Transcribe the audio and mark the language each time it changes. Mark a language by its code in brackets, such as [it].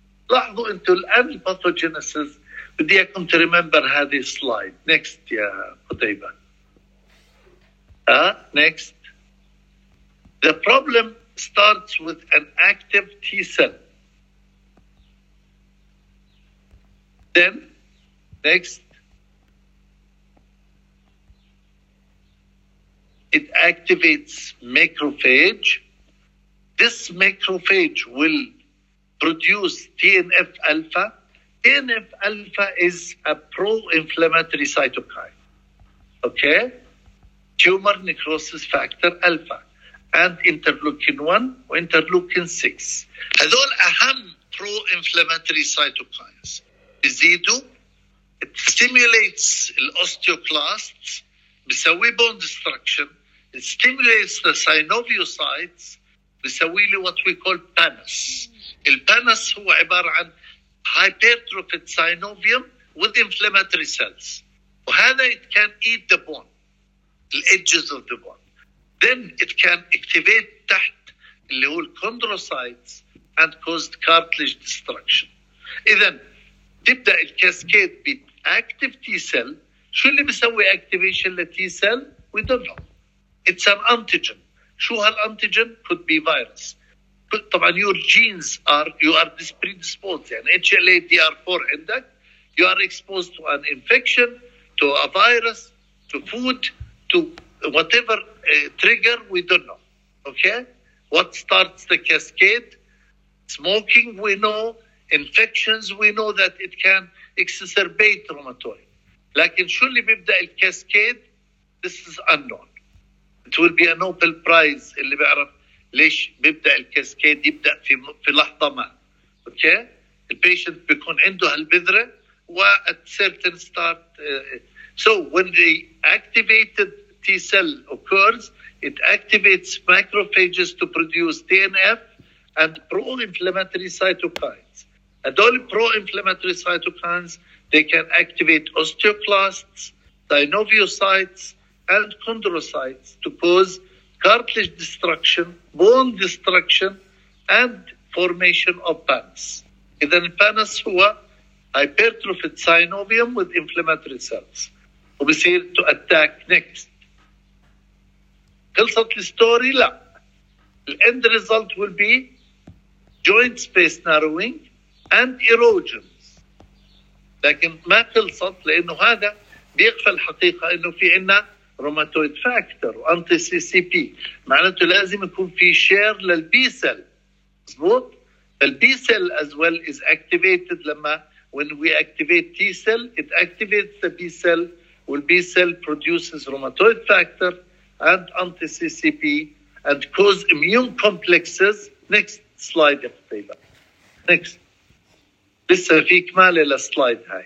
[ar] لاحظوا أنتوا الآن pathogenesis. بدي أكون [en] to remember [ar] هذه slide. [en] Next يا قطيبة. Next. The problem starts with an active T cell. Then, next, it activates macrophage. This macrophage will produce TNF alpha. TNF alpha is a pro-inflammatory cytokine. Okay? Tumor necrosis factor alpha. And interleukin-1 or interleukin-6. [ar] هذول أهم pro-inflammatory cytokines. بزيدوا. [en] It stimulates the osteoclasts. [ar] بسوي [en] bone destruction. It stimulates the synoviocytes. [ar] بسوي لي [en] what we call pannus. [ar] البانس هو عبارة عن [en] hypertrophied synovium with inflammatory cells. [ar] وهذا [en] it can eat the bone. The edges of the bone. Then it can activate [ar] تحت اللي هو الكوندروسايتس [en] and cause cartilage destruction. [ar] إذن تبدأ الكاسكيد بأكتف تي سيل. شو اللي بيسوي activation لتي سيل؟ [en] We don't know. [ar] It's an antigen. شو هالانتيجن؟ [en] Could be virus. [ar] طبعا [en] your genes are, you are predisposed. [ar] يعني HLA DR4 عندك. [en] You are exposed to an infection, to a virus, to food, to whatever trigger, we don't know. Okay? What starts the cascade? Smoking, we know. Infections, we know that it can exacerbate rheumatoid. [ar] لكن شو اللي بيبدأ الكاسكيد? [en] This is unknown. It will be a Nobel Prize [ar] اللي بيعرف ليش بيبدأ الكاسكيد يبدأ في لحظة ما. [en] Okay? The patient [ar] بيكون عنده هالبذرة و [en] at certain start. So when the activated T cell occurs, it activates macrophages to produce TNF and pro-inflammatory cytokines. And all pro-inflammatory cytokines, they can activate osteoclasts, synoviocytes, and chondrocytes to cause cartilage destruction, bone destruction, and formation of pannus. And then pannus هو hypertrophied synovium with inflammatory cells. We see it to attack next. [ar] خلصت الستوري؟ لا. [en] The end result will be joint space narrowing and erosions. [ar] لكن ما خلصت لأنه هذا بيقفل حقيقة إنه في عنا روماتويد فاكتور وأنتي سي سي بي. معناته لازم يكون في شير للبي سيل. مظبوط؟ البي سيل [en] as well is activated [ar] لما [en] when we activate T cell, it activates the B cell. Well, B cell produces rheumatoid factor and anti-CCP and cause immune complexes. Next slide, please. Next. This is a slide.